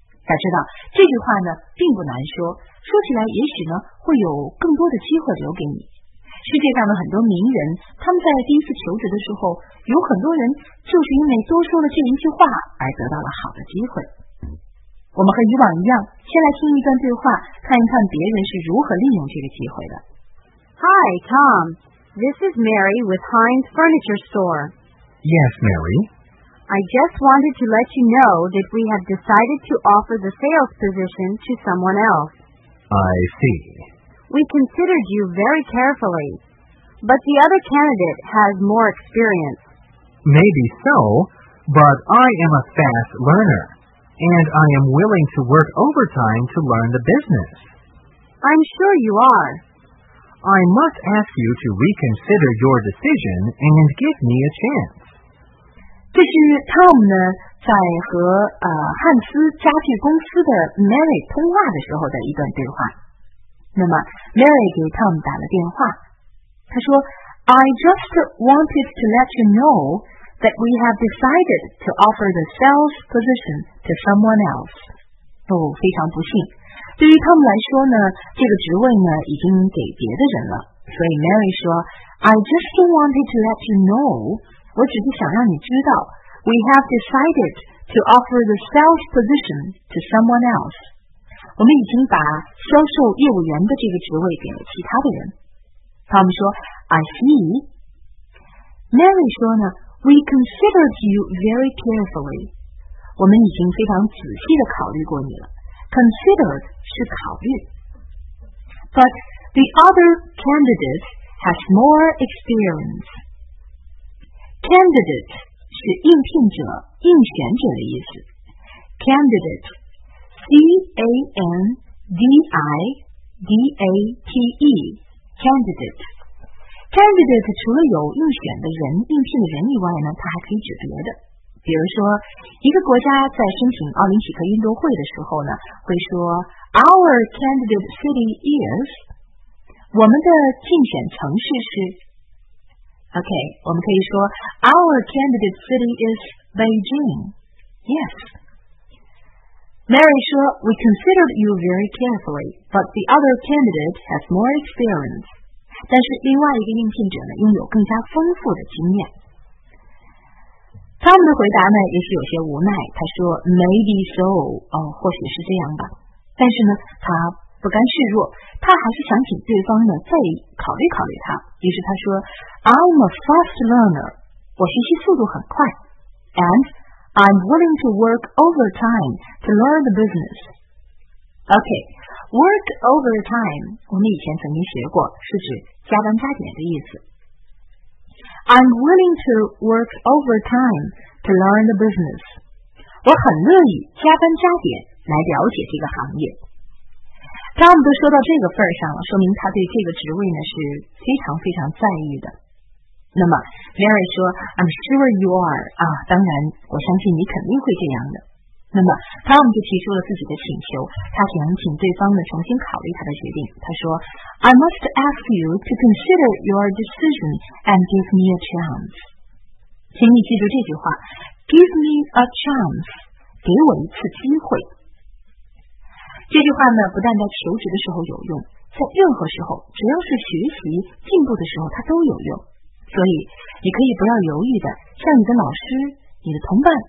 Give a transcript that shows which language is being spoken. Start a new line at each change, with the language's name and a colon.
Chinese: 要知道这句话呢并不难说，说起来也许呢会有更多的机会留给你。世界上的很多名人，他们在第一次求职的时候，有很多人就是因为多说了这一句话而得到了好的机会。我们和以往一样，先来听一段对话，看一看别人是如何利用这个机会的。
English: Hi TomThis is Mary with Hines Furniture Store. Yes, Mary. I just wanted to let you know that we have decided to offer the sales position to someone else. I see. We considered you very carefully, but the other candidate has more experience. Maybe so, but I am a fast learner, and I am willing to work overtime to learn the business. I'm sure you are. I must ask you to reconsider your decision and give me a chance.
Chinese: 这是 Tom 呢在和汉斯家具公司的 Mary 通话的时候的一段对话。那么 Mary 给 Tom 打了电话，他说
English: I just wanted to let you know that we have decided to offer the sales position to someone else.
Chinese: 哦，非常不幸。对于他们来说呢，这个职位呢已经给别的人了。所以 Mary 说 ，
English: I just wanted to let you know.
Chinese: 我只是想让你知道
English: ，We have decided to offer the sales position to someone else.
Chinese: 我们已经把销售业务员的这个职位给了其他的人。他们说 ，
English: I see. Mary
Chinese: 说呢
English: ，We considered you very carefully.
Chinese: 我们已经非常仔细地考虑过你了。
English: Considered
Chinese: 是考虑
English: ，but the other candidate has more experience.
Chinese: Candidate 是应聘者、应选者的意思。
English: Candidate, C-A-N-D-I-D-A-T-E, candidate.
Chinese: Candidate 除了有应选的人、应聘的人以外呢，它还可以指别的。比如说，一个国家在申请奥林匹克运动会的时候呢，会说
English: Our candidate city is
Chinese: 我们的竞选城市是 OK, 我们可以说
English: Our candidate city is Beijing. Yes. Mary
Chinese: 说
English: We considered you very carefully, but the other candidate has more experience.
Chinese: 但是另外一个应聘者呢，拥有更加丰富的经验。他们的回答呢，也是有些无奈。他说 ，
English: Maybe so，
Chinese: 哦，或许是这样吧。但是呢，他不甘示弱，他还是想请对方呢再考虑考虑他。于是他说
English: ，I'm a fast learner，
Chinese: 我学习速度很快
English: ，and I'm willing to work overtime to learn the business。
Chinese: OK，
English: work overtime，
Chinese: 我们以前曾经学过，是指加班加点的意思。
English: I'm willing to work overtime to learn the business.
Chinese: 我很乐意加班加点来了解这个行业。他们都说到这个份儿上了，说明他对这个职位呢是非常非常在意的。那么 Mary 说 ，
English: I'm sure you are
Chinese: 啊，当然，我相信你肯定会这样的。那么他们就提出了自己的请求，他想请对方呢重新考虑他的决定。他说
English: ，I must ask you to consider your decision and give me a chance。
Chinese: 请你记住这句话 ，
English: give me a chance，
Chinese: 给我一次机会。这句话呢，不但在求职的时候有用，在任何时候，只要是学习进步的时候，它都有用。所以你可以不要犹豫的向你的老师、你的同伴。